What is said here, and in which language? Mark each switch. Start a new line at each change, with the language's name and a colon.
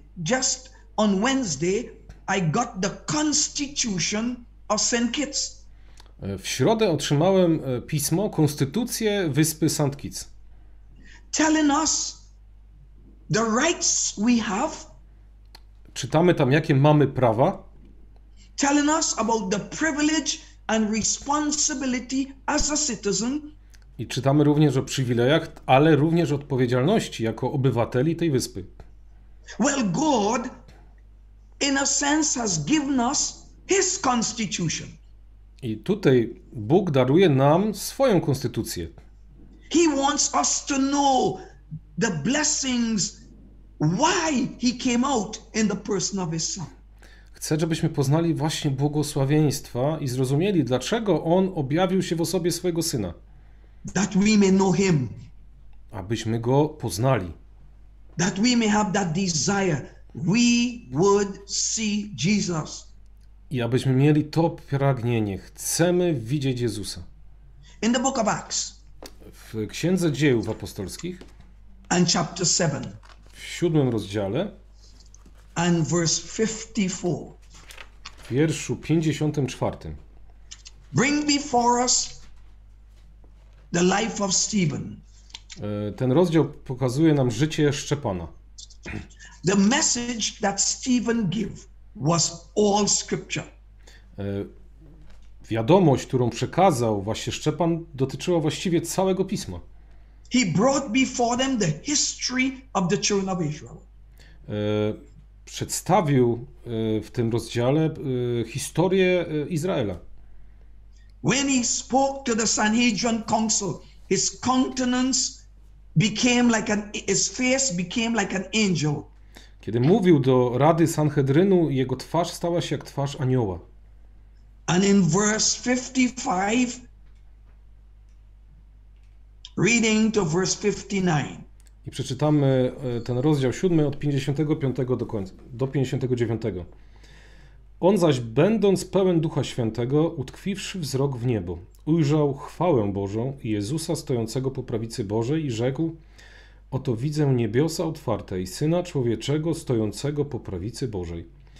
English: Just on Wednesday I got the constitution of St. Kitts.
Polish: W środę otrzymałem pismo Konstytucję Wyspy St. Kitts.
English: Telling us the rights we have.
Polish: Czytamy tam, jakie mamy prawa.
English: Telling us about the privilege and responsibility as a citizen.
Polish: I czytamy również o przywilejach, ale również odpowiedzialności jako obywateli tej wyspy.
English: Well, God in a sense has given us his constitution.
Polish: I tutaj Bóg daruje nam swoją konstytucję.
English: He wants us to know the blessings, why he came out in the person of his son.
Polish: Chcę, żebyśmy poznali właśnie błogosławieństwa i zrozumieli, dlaczego on objawił się w osobie swojego syna.
English: That we may know him.
Polish: Abyśmy go poznali.
English: That we may have that desire. We would see Jesus.
Polish: I abyśmy mieli to pragnienie. Chcemy widzieć Jezusa.
English: In the book of Acts.
Polish: W Księdze Dziejów Apostolskich.
English: And chapter 7.
Polish: W siódmym rozdziale.
English: And verse 54.
Polish: W wierszu 54.
English: Bring before us the life of Stephen.
Polish: Ten rozdział pokazuje nam życie Szczepana.
English: The message that Stephen gave was all scripture.
Polish: Wiadomość, którą przekazał właśnie Szczepan, dotyczyła właściwie całego pisma.
English: He brought before them the history of the children of Israel.
Polish: Przedstawił w tym rozdziale historię Izraela.
English: When he spoke to the Sanhedrin council, his countenance became like an, his face became like an angel.
Polish: Kiedy mówił do Rady Sanhedrynu, jego twarz stała się jak twarz anioła.
English: And in verse 55, reading to verse 59.
Polish: I przeczytamy ten rozdział 7 od 55 do końca, do 59. On zaś, będąc pełen Ducha Świętego, utkwiwszy wzrok w niebo, ujrzał chwałę Bożą i Jezusa stojącego po prawicy Bożej i rzekł: oto widzę niebiosa otwarte i Syna Człowieczego stojącego po prawicy Bożej.